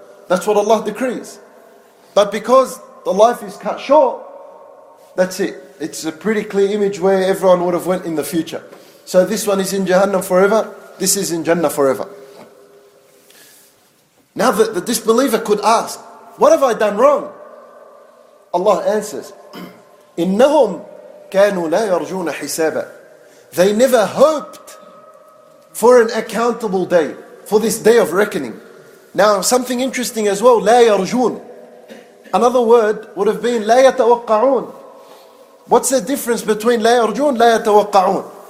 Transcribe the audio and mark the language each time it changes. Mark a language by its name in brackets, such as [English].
[English] That's what Allah decrees. But because the life is cut short, that's it. It's a pretty clear image where everyone would have went in the future. So this one is in Jahannam forever. This is in Jannah forever. Now the disbeliever could ask, what have I done wrong? Allah answers, [Arabic] إِنَّهُمْ كَانُوا لَا يَرْجُونَ حِسَابًا. [English] They never hoped for an accountable day. For this day of reckoning. Now something interesting as well. [Arabic] لَا يَرْجُونَ. [English] Another word would have been [Arabic] لَا يَتَوَقَّعُونَ. [English] What's the difference between [Arabic] لَا يَرْجُونَ, لَا يَتَوَقَّعُونَ?